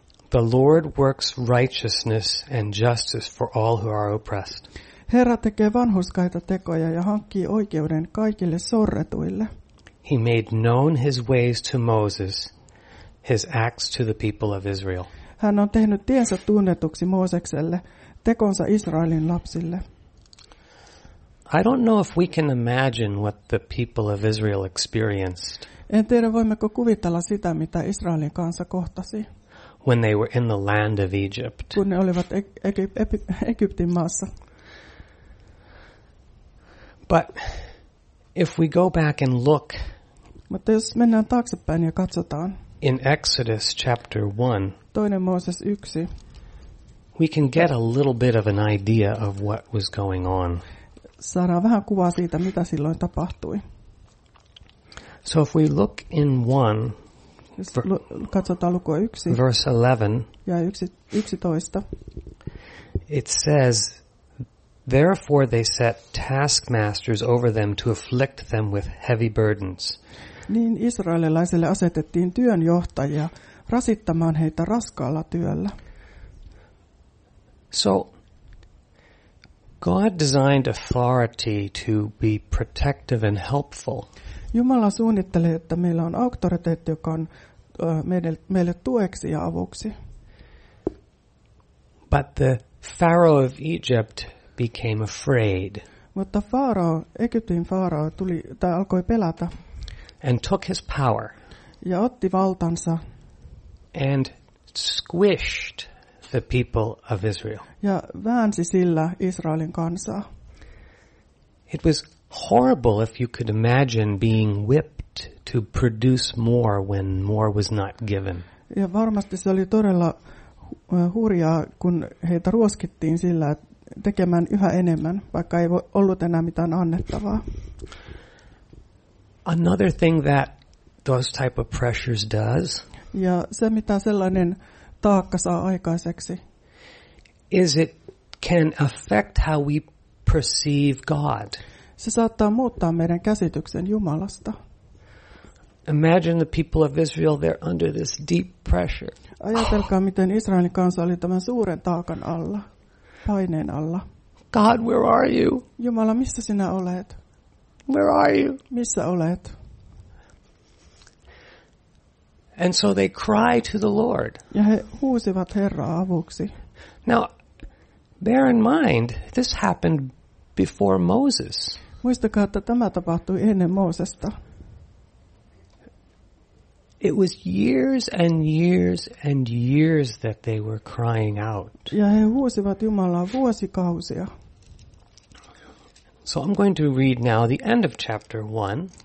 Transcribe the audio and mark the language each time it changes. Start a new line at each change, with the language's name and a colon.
English: The Lord works righteousness and justice for all who are oppressed.
Finnish: Herra tekee vanhurskaita tekoja ja hankkii oikeuden kaikille sorretuille.
English: He made known his ways to Moses, his acts to the people of Israel.
Finnish: Hän on tehnyt tiensä tunnetuksi Moosekselle, tekonsa Israelin lapsille.
English: I don't know if we can imagine what the people of Israel experienced.
Finnish: En tiedä, voimmeko kuvitella sitä, mitä Israelin kansa kohtasi.
English: When they were in the land of Egypt.
Finnish: Kun ne olivat Egyptin maassa.
English: But if we go back and look.
Finnish: Mutta jos mennään taaksepäin ja katsotaan.
English: In Exodus chapter 1.
Finnish: Toinen Mooses 1.
English: We can get a little bit of an idea of what was going on.
Finnish: Saadaan vähän kuvaa siitä, mitä silloin tapahtui.
English: So if we look in 1.
Finnish: Katsotaan lukua 1.
English: Verse 11.
Finnish: Ja 11.
English: It says, therefore they set taskmasters over them to afflict them with heavy burdens.
Finnish: Niin israelilaisille asetettiin työnjohtajia rasittamaan heitä raskaalla työllä.
English: So God designed authority to be protective and helpful.
Finnish: Jumala suunnitteli, että meillä on auktoriteetti, joka on meille tueksi ja avuksi.
English: But the Pharaoh of Egypt became afraid.
Finnish: Mutta Egyptin faarao alkoi pelätä.
English: And took his power.
Finnish: Ja otti valtansa.
English: And squished the people of Israel.
Finnish: Ja väänsi sillä Israelin kansaa.
English: It was horrible if you could imagine being whipped to produce more when more was not given.
Finnish: Ja varmasti se oli todella hurjaa, kun heitä ruoskittiin sillä tekemään yhä enemmän, vaikka ei ollut enää mitään annettavaa.
English: Another thing that those type of pressures does.
Finnish: Ja se mitä sellainen taakka saa aikaiseksi.
English: Is it can affect how we perceive God.
Finnish: Se saattaa muuttaa meidän käsityksen Jumalasta.
English: Imagine the people of Israel, they're under this deep pressure.
Finnish: Ajatelkaa miten Israelin kansa oli tämän suuren taakan alla, paineen alla.
English: God, where are you?
Finnish: Jumala, missä sinä olet?
English: Where are you?
Finnish: Missä olet?
English: And so they cry to the Lord.
Finnish: Ja he huusivat Herraa avuksi.
English: Now, bear in mind, this happened before Moses.
Finnish: Muistakaa, että tämä tapahtui ennen Moosesta.
English: It was years and years and years that they were crying out.
Finnish: Ja he huusivat Jumalaa vuosikausia.
English: So I'm going to read now the end of chapter 1.